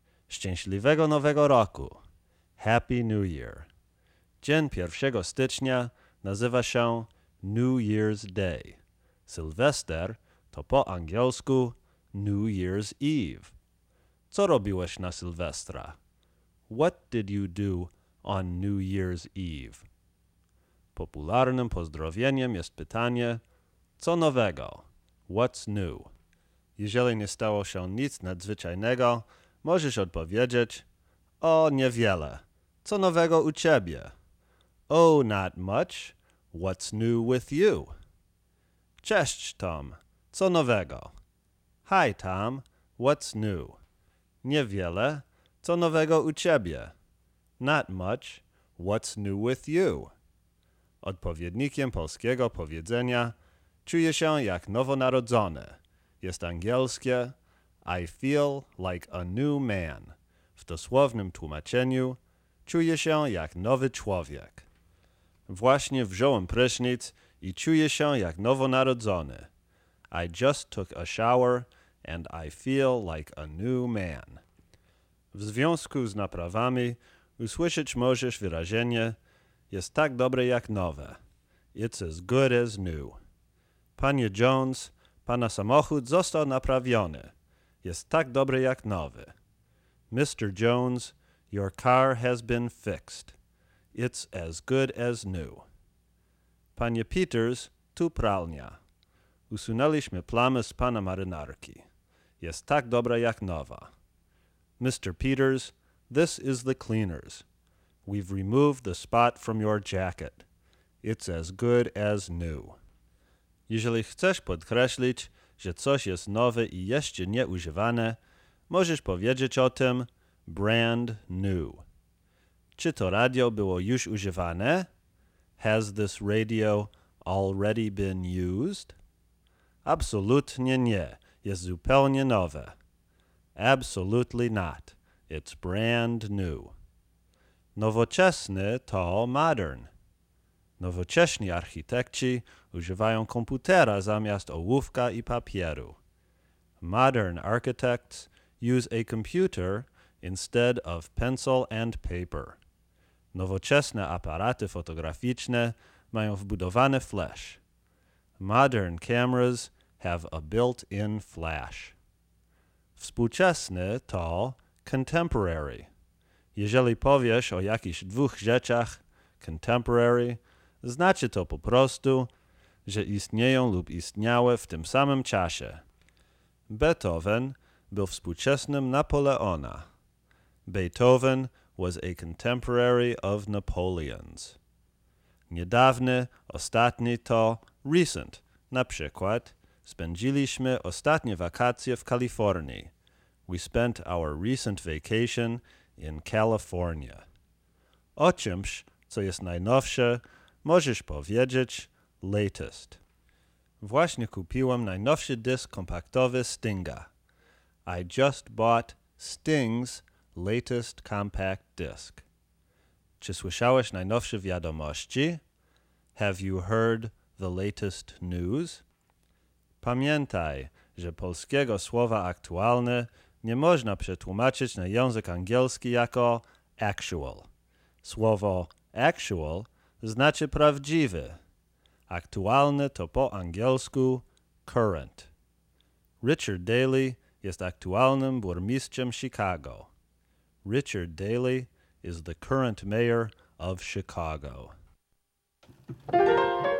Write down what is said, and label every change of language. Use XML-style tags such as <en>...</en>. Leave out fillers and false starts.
<pl>Szczęśliwego nowego roku.</pl> <en>Happy New Year.</en> <pl>Dzień 1 stycznia nazywa się</pl> <en>New Year's Day.</en> <pl>Sylwester to po angielsku</pl> <en>New Year's Eve.</en> <pl>Co robiłeś na Sylwestra?</pl> <en>What did you do on New Year's Eve?</en> <pl>Popularnym pozdrowieniem jest pytanie, co nowego?</pl> <en>What's new?</en> <pl>Jeżeli nie stało się nic nadzwyczajnego, możesz odpowiedzieć, o, niewiele. Co nowego u ciebie?</pl> <en>Oh, not much. What's new with you?</en> <pl>Cześć, Tom. Co nowego?</pl> <en>Hi, Tom. What's new?</en> <pl>Niewiele. Co nowego u ciebie?</pl> <en>Not much. What's new with you?</en> <pl>Odpowiednikiem polskiego powiedzenia czuję się jak nowonarodzony. Jest angielskie</pl> <en>I feel like a new man.</en> <pl>W dosłownym tłumaczeniu czuję się jak nowy człowiek. Właśnie wziąłem prysznic i czuję się jak nowonarodzony.</pl> <en>I just took a shower and I feel like a new man.</en> <pl>W związku z naprawami usłyszeć możesz wyrażenie jest tak dobre jak nowe.</pl> <en>It's as good as new.</en> <pl>Panie Jones, pana samochód został naprawiony. Jest tak dobre jak nowy. Mr.</pl> <en>Jones, your car has been fixed. It's as good as new.</en> <pl>Panie Peters, tu pralnia. Usunęliśmy plamy z pana marynarki. Jest tak dobra jak nowa. Mr.</pl> <en>Peters, this is the cleaners. We've removed the spot from your jacket. It's as good as new.</en> <pl>Jeżeli chcesz podkreślić, że coś jest nowe i jeszcze nie używane, możesz powiedzieć o tym brand new. Czy to radio było już używane?</pl> <en>Has this radio already been used?</en> <pl>Absolutnie nie. Jest zupełnie nowe.</pl> <en>Absolutely not. It's brand new.</en> <pl>Nowoczesny to</pl> <en>modern.</en> <pl>Nowocześni architekci używają komputera zamiast ołówka i papieru.</pl> <en>Modern architects use a computer instead of pencil and paper.</en> <pl>Nowoczesne aparaty fotograficzne mają wbudowany flash.</pl> <en>Modern cameras have a built-in flash.</en> <pl>Współczesny to contemporary. Jeżeli powiesz o jakichś dwóch rzeczach contemporary, znaczy to po prostu, że istnieją lub istniały w tym samym czasie. Beethoven był współczesnym Napoleona.</pl> <en>Beethoven was a contemporary of Napoleon's.</en> <pl>Niedawny, ostatni to recent. Na przykład, spędziliśmy ostatnie wakacje w Kalifornii.</pl> <en>We spent our recent vacation in California.</en> <pl>O czymś, co jest najnowsze, możesz powiedzieć latest. Właśnie kupiłem najnowszy dysk kompaktowy Stinga.</pl> <en>I just bought Sting's latest compact disc.</en> <pl>Czy słyszałeś najnowsze wiadomości?</pl> <en>Have you heard the latest news?</en> <pl>Pamiętaj, że polskiego słowa aktualne nie można przetłumaczyć na język angielski jako actual. Słowo actual znaczy prawdziwy. Aktualny to po angielsku current. Richard Daley jest aktualnym burmistrzem Chicago.</pl> <en>Richard Daley is the current mayor of Chicago.</en>